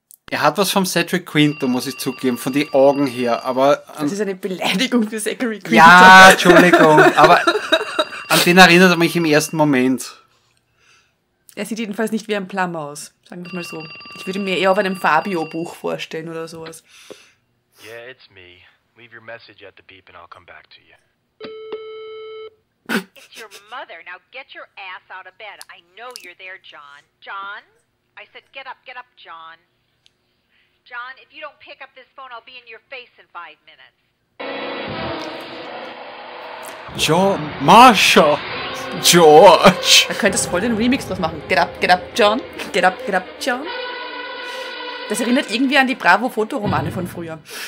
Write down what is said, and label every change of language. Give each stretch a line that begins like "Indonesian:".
German: Er hat was vom Cedric Quinto, muss ich zugeben, von den Augen her, aber. Das ist eine Beleidigung für Zachary Quinto. Ja, Entschuldigung, aber. An den erinnert er mich im ersten Moment. Er sieht jedenfalls nicht wie ein Plummer aus, sagen wir mal so. Ich würde mir eher auf einem Fabio-Buch vorstellen oder sowas.
English: Yeah, it's me. Leave your message at the beep and I'll come back to you. It's your mother. Now get your ass out of bed. I know you're there, John. John? I said get up, John. John, if you don't pick up this phone, I'll be in your face in 5 minutes. John Marshall! George!
German: Da könntest du voll den Remix draus machen.
English: Get up, John. Get up, John.
German: Das erinnert irgendwie an die Bravo-Fotoromane von früher.